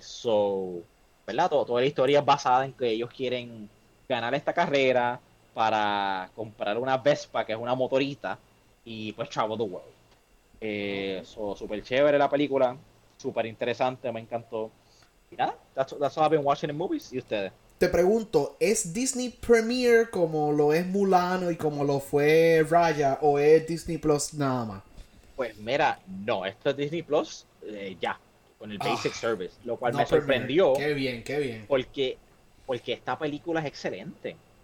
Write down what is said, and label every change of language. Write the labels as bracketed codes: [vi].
[es] So, ¿verdad? Toda la historia es basada en que ellos quieren ganar esta carrera para comprar una Vespa, que es una motorita, y pues [en] travel the world. [es] Súper chévere la película, súper interesante, me encantó. Y nada, [en] that's what I've been watching in movies. [es] ¿Y ustedes? Te pregunto, ¿es Disney Premier como lo es Mulano y como lo fue Raya, o es Disney Plus nada más? Pues mira, no, esto es Disney Plus ya, con el basic service, lo cual no me sorprendió. Premier. Qué bien, qué bien. Porque esta película es excelente.